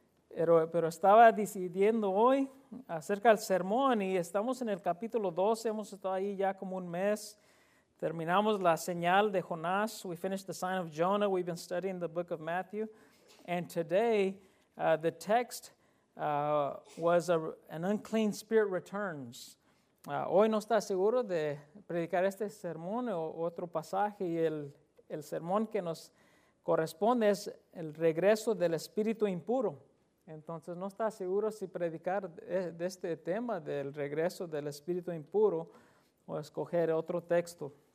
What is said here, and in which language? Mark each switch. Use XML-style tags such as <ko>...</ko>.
<es>Pero estaba decidiendo hoy acerca del sermón y estamos en el capítulo 12. Hemos estado ahí ya como un mes. Terminamos la señal de Jonás.</es> <en>We finished the sign of Jonah. We've been studying the book of Matthew. And today, the text was an unclean spirit returns.</en> <es>Hoy no está seguro de predicar este sermón o otro pasaje. Y el sermón que nos corresponde es el regreso del espíritu impuro. Entonces, no está seguro si predicar de este tema del regreso del espíritu impuro o escoger otro texto.</es>